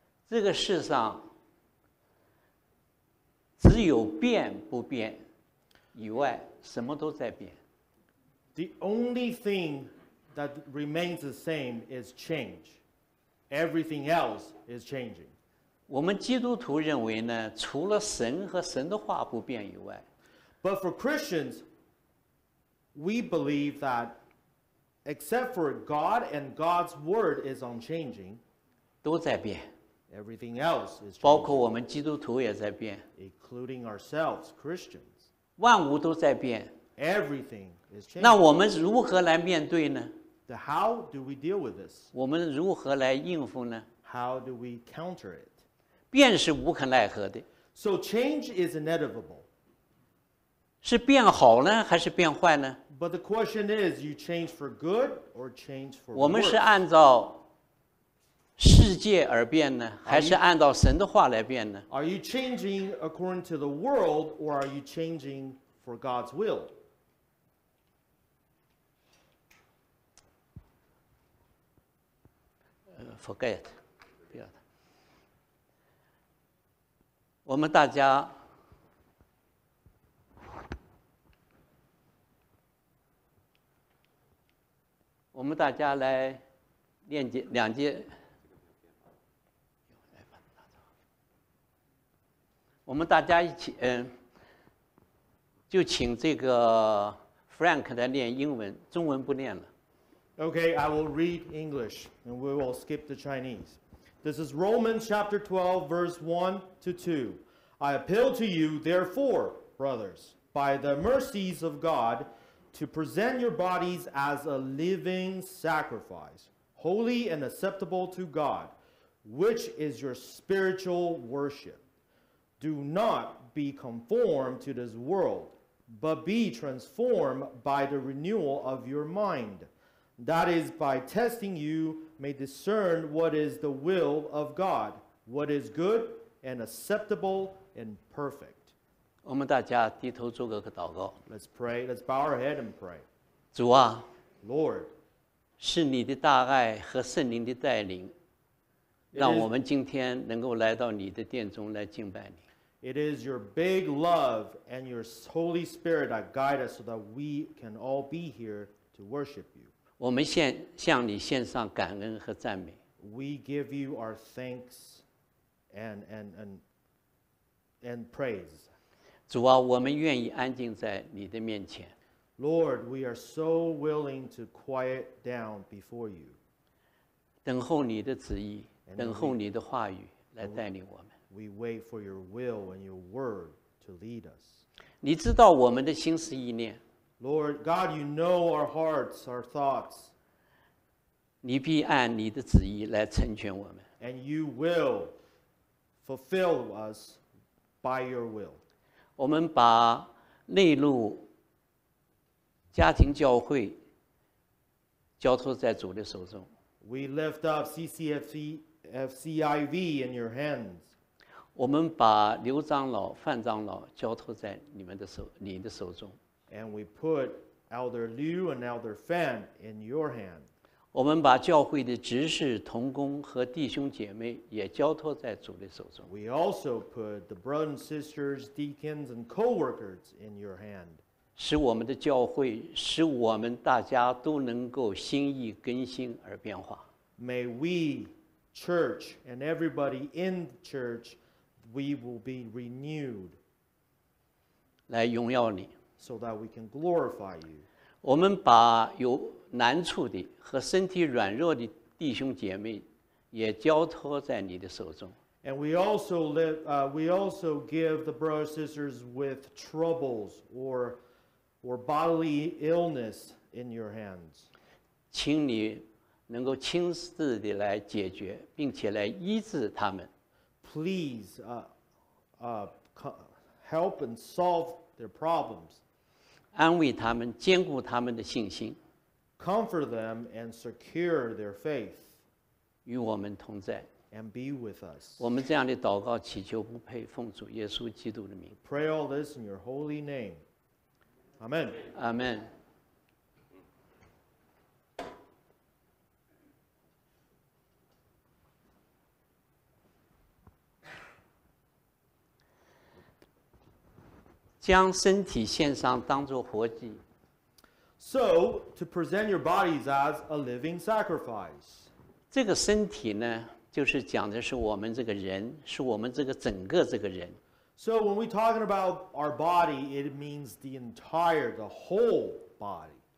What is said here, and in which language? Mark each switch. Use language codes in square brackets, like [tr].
[zh] 这个世上只有变不变以外，什么都在变。 [en] The only thing that remains the same is change. Everything else is changing. [zh] 我们基督徒认为呢，除了神和神的话不变以外。 [en] But for Christians, we believe that except for God and God's word is unchanging. [zh] 都在变。 [en] Everything else is [zh] 包括我们基督徒也在变 [en] including ourselves, Christians. [zh] 万物都在变 [en] Everything is changing. [zh] 那我们如何来面对呢 [en] The how do we deal with this? [zh] 我们如何来应付呢 [en] How do we counter it? [zh] 变是无可奈何的 [en] So change is inevitable. [zh] 是变好呢还是变坏呢 [en] But the question is, you change for good or change for worse? [zh] 我们是按照世界而变呢还是按照神的话来变呢 [en] Are you changing according to the world or are you changing for God's will? [zh] 不要的。我们大家来念经两节我们大家一起，就请这个 Frank 来念英文，中文不念了。 [en] Okay, I will read English, and we will skip the Chinese. This is Romans chapter 12, verse 1 to 2. I appeal to you, therefore, brothers, by the mercies of God, to present your bodies as a living sacrifice, holy and acceptable to God, which is your spiritual worship. Do not be conformed to this world, but be transformed by the renewal of your mind. That is, by testing you may discern what is the will of God, what is good and acceptable and perfect. [zh] 我们大家低头做个祷告。 [en] Let's pray. Let's bow our head and pray. [zh] 主啊 [en] Lord, [zh] 是你的大爱和圣灵的带领，让我们今天能够来到你的殿中来敬拜你。 [en] It is your big love and your Holy Spirit that guide us so that we can all be here to worship you. [zh] 我们献向你献上感恩和赞美。 [en] We give you our thanks and praise. [zh] 主啊，我们愿意安静在你的面前。 [en] Lord, we are so willing to quiet down before you. [zh] 等候你的旨意，等候你的话语来带领我们。 [en] We wait for your will and your word to lead us. [zh] 你知道我们的心思意念。 [en] Lord, God, you know our hearts, our thoughts. [zh] 你必按你的旨意来成全我们。 [en] And you will fulfill us by your will. [zh] 我们把内陆家庭教会交托在主的手中。 [en] We lift up CCIV in your hands. [zh] 我们把刘长老、范长老交托在你们的手、你的手中。 [en] And we put Elder Liu and Elder Fan in your hand. [zh] 我们把教会的执事、同工和弟兄姐妹也交托在主的手中。 [en] We also put the brothers and sisters, deacons and co-workers in your hand. [zh] 使我们的教会，使我们大家都能够心意更新而变化。 [en] May we, church and everybody in the church,We will be renewed. [zh] 来荣耀你 [en] So that we can glorify you. [zh] 我们把有难处的和身体软弱的弟兄姐妹也交托在你的手中 [en] And we also, we also give the brothers and sisters with troubles or bodily illness in your hands. [zh] 请你能够亲自地来解决并且来医治他们 [en] Please, help and solve their problems. [zh] 安慰他们, 坚固他们的信心, [en] comfort them and secure their faith. [zh] 与我们同在, [en] and be with us. [zh] 我们这样的祷告, 祈求不配, 奉主耶稣基督的名, [en] pray all this in your holy name. Amen. Amen. So, to present your bodies as a living sacrifice. [zh] 这个身体呢, 就是讲的是我们这个人, 是我们这个整个这个人。 [en] So, when we're talking about our body, it means the entire, the whole body.